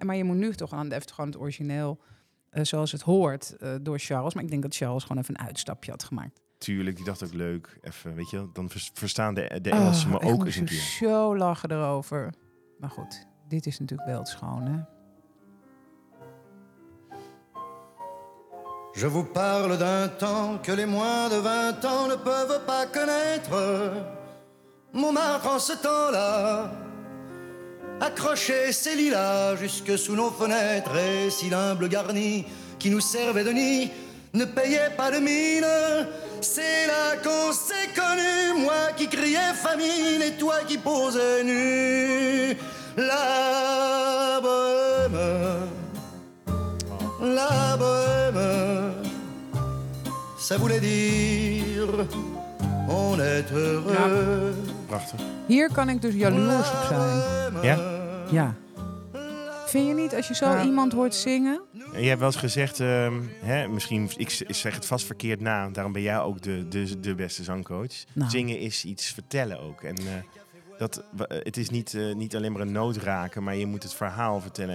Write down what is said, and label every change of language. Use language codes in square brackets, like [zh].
[nl] Maar je moet nu toch aan de even gewoon het origineel, zoals het hoort, door Charles. Maar ik denk dat Charles gewoon even een uitstapje had gemaakt. Natuurlijk, die dacht ook leuk. Even, weet je, dan verstaan de Engelsen me ook eens een keer. Ik moest zo lachen erover. Maar goed, dit is natuurlijk wel het schone. [fr] Je vous parle d'un temps que les moins de 20 ans ne peuvent pas connaître. Montmartre en ce temps-là, accroché ses lilas jusque sous nos fenêtres et si l'humble garni qui nous servait de nid ne payait pas de mine. C'est là qu'on s'est connu, moi qui criais famine et toi qui posais nu. La bohème, la bohème, ça voulait dire on est heureux. [nl] Ja. Prachtig. Hier kan ik dus jaloers op zijn. Ja? Ja. Vind je niet als je zo iemand hoort zingen? Je hebt wel eens gezegd, misschien, ik zeg het vast verkeerd na, daarom ben jij ook de beste zangcoach. Nou. Zingen is iets vertellen ook. En het is niet alleen maar een noot raken, maar je moet het verhaal vertellen.